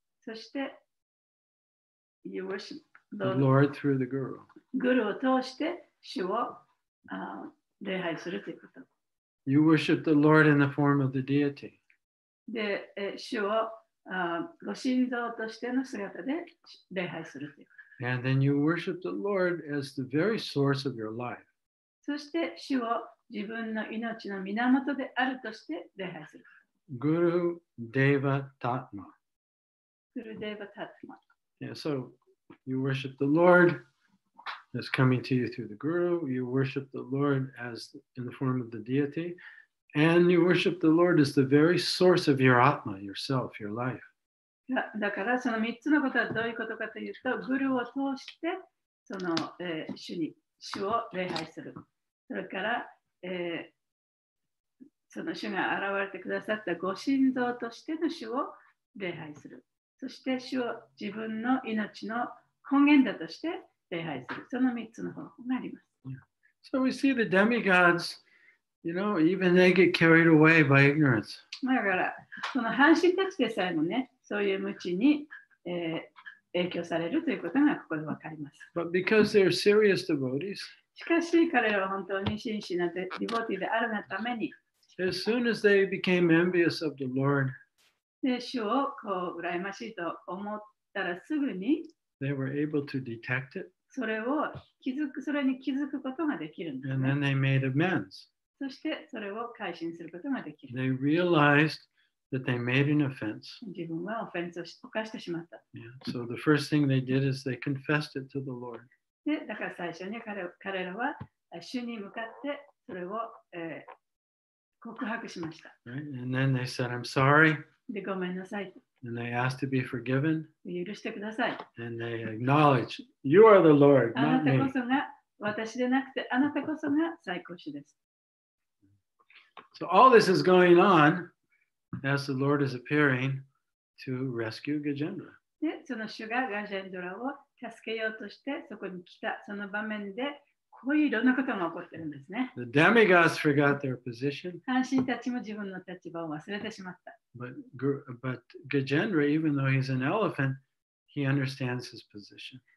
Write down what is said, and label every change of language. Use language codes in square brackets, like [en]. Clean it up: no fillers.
[ja] そして、 [en] You worship the Lord through the Guru. [ja] グルを通して主を礼拝するということ。 [en] You worship the Lord in the form of the deity. [ja] で、主をご神像としての姿で礼拝するということ。 [en] And then you worship the Lord as the very source of your life. [ja] そして主を自分の命の源であるとして礼拝する。 [sa] Guru Deva Tatma. Guru Deva Tatma. [en] Yeah, so you worship the Lord. That's coming to you through the Guru. You worship the Lord as in the form of the deity. And you worship the Lord as the very source of your Atma, yourself, your life. [ja] だからその3つのことはどういうことかというと、グルを通してその、主を礼拝する。それから、その主が現れてくださったご神像としての主を礼拝する。そして主を自分の命の根源だとして礼拝する。その3つの方法があります。 [en] Yeah. So we see the demigods, you know, even they get carried away by ignorance. [ja] だから、その半神たちでさえもね、そういう無知に、影響されるということがここでわかります。 [en] But because they're serious devotees, [ja] しかし彼らは本当に真摯なディボティであるがために、 [en] As soon as they became envious of the Lord, [ja] 主をこう羨ましいと思ったらすぐに、 [en] they were able to detect it. [ja] それを気づく、それに気づくことができるんです、ね。 [en] And then they made amends. [ja] そしてそれを改心することができる。 [en] They realized that they made an offense. [ja] 自分はオフェンスを犯してしまった。 [en] Yeah. So the first thing they did is they confessed it to the Lord. [ja] で、だから最初に彼らは主に向かってそれを、告白しました。 [en] Right. And then they said, I'm sorry. [ja] で、ごめんなさい。 [en] And they asked to be forgiven. [ja] 許してください。 [en] And they acknowledged, you are the Lord, not me. [ja] あなたこそが私でなくて、あなたこそが最高主です。 [en] So all this is going on as the Lord is appearing to rescue Gajendra. [ja] で、その主がガジェンドラを助けようとして、そこに来たその場面で、こういういろんなことが起こってるんですね。 [en] The demigods forgot their position. [ja] 半神たちも自分の立場を忘れてしまった。 [en] But Gajendra, even though he's an elephant, he understands his position.